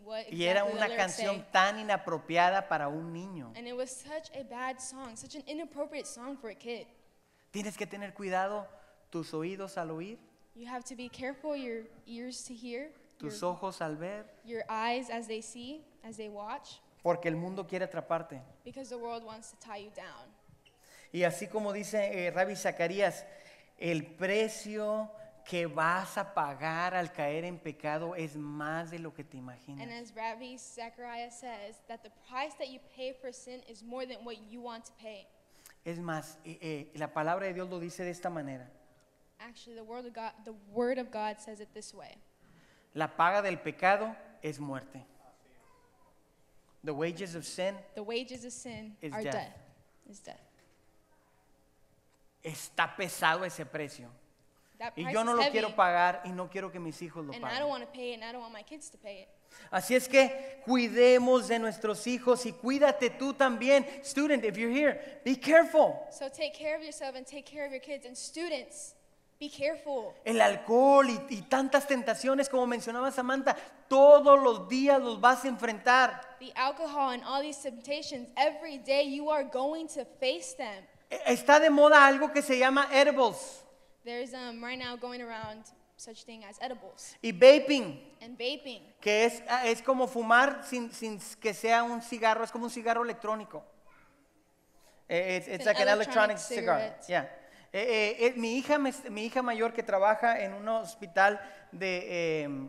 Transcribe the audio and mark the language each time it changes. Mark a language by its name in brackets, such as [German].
[Spanish] Y era una canción tan inapropiada para un niño. [English] And it was such a bad song, such an inappropriate song for a kid. [Spanish] Tienes que tener cuidado tus oídos al oír. [English] You have to be careful your ears to hear. [Spanish] Tus ojos al ver. [English] Your eyes as they see, as they watch. [Spanish] Porque el mundo quiere atraparte. [English] Because the world wants to tie you down. [Spanish] Y así como dice Rabbi Zacarías, el precio que vas a pagar al caer en pecado es más de lo que te imaginas. [English] And as Rabbi Zacarías says, that the price that you pay for sin is more than what you want to pay. [Spanish] Es más, la palabra de Dios lo dice de esta manera. [English] Actually, the word of God says it this way. [Spanish] La paga del pecado es muerte. [English] The wages of sin, is death. [Spanish] Está pesado ese precio. Y yo no lo quiero pagar y no quiero que mis hijos lo paguen. [English] And I don't want to pay it and I don't want my kids to pay it. [Spanish] Así es que cuidemos de nuestros hijos y cuídate tú también. [English] Student, if you're here, be careful. So take care of yourself and take care of your kids. And students, be careful. [Spanish] El alcohol y tantas tentaciones, como mencionaba Samantha, todos los días los vas a enfrentar. [English] The alcohol and all these temptations, every day you are going to face them. [Spanish] Está de moda algo que se llama edibles. [English] There's right now going around such thing as edibles. [Spanish] Y vaping. [English] And vaping. [Spanish] Que es como fumar sin que sea un cigarro, es como un cigarro electrónico. [English] It's like an electronic cigarette. Yeah. [Spanish] Mi hija mayor, que trabaja en un hospital de